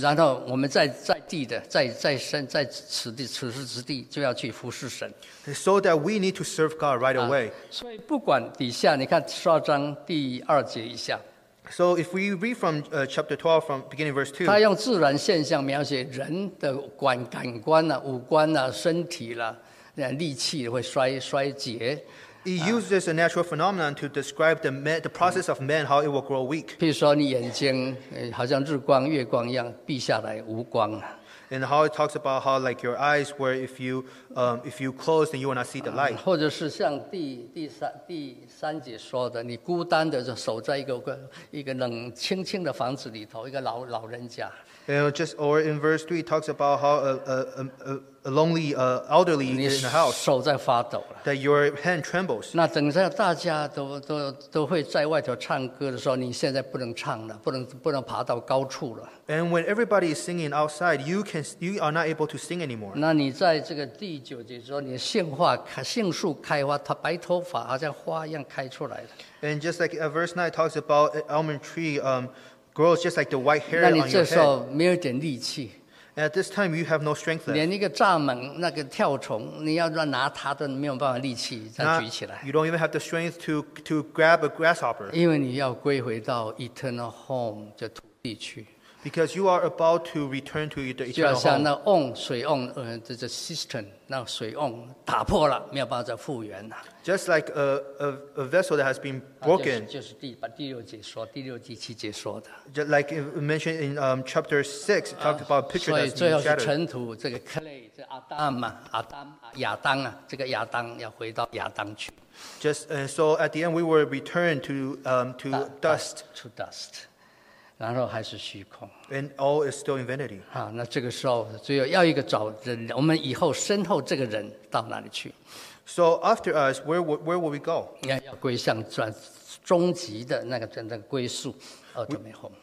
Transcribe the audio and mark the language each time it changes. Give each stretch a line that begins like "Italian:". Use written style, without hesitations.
Chinese: 然后我们在地的，在身，在此地此时此地，就要去服侍神。
English: So that we need to serve God right away.
Chinese: 所以不管底下，你看十二章第二节以下。
English: So if we read from chapter 12 from beginning verse 2,
Chinese: 他用自然现象描写人的感官啊、五官啊、身体了、力气会衰竭。
English: He uses a natural phenomenon to describe the process of man, how it will grow weak.
Chinese: 譬如说你眼睛好像日光月光一样闭下来无光。
English: And how it talks about how like your eyes, where if you close, then you will not see the light.
Chinese: 或者是像第三节说的，你孤单的就守在一个冷清清的房子里头，一个老人家。
English: And just or in verse 3 talks about how a lonely elderly in the house,
Chinese: 手在发抖了。
English: That your hand trembles.
Chinese: 那等下大家都会在外头唱歌的时候，你现在不能唱了，不能爬到高处了。
English: And when everybody is singing outside, you are not able to sing anymore.
Chinese: 那你在这个第九节说，你杏树开花，它白头发好像花一样开出来的。
English: And just like verse 9 talks about almond tree, grows just like the white hair on your head.
Chinese: 那你这时候没有点力气。
English: At this time, you have no strength left.
Chinese: 连一个蚱蜢，那个跳虫，你要乱拿它都没有办法力气再举起来。
English: You don't even have the strength to grab a grasshopper.
Chinese: 因为你要归回到
English: eternal home
Chinese: 这土地去。
English: Because you are about to return to the eternal home.
Chinese: 就好像那瓮水瓮，这 cistern 那水瓮打破了，没有办法再复原了。
English: Just like a vessel that has been broken.
Chinese: 就是第六节说的。
English: Just like mentioned in chapter 6, talked about a picture that's been shattered.
Chinese: 所以最后是尘土，这个 clay, 这亚当嘛，亚当，亚当啊，这个亚当要回到亚当去。
English: Just so at the end, we were returned to dust. To dust.
Chinese: 然后还是虚空。
English: And all is still in vanity.
Chinese: 好，那这个时候只有要一个找人，我们以后身后这个人到哪里去？
English: So after us, where will we go?
Chinese: 要归向终极的那个归宿 ，
English: ultimate home.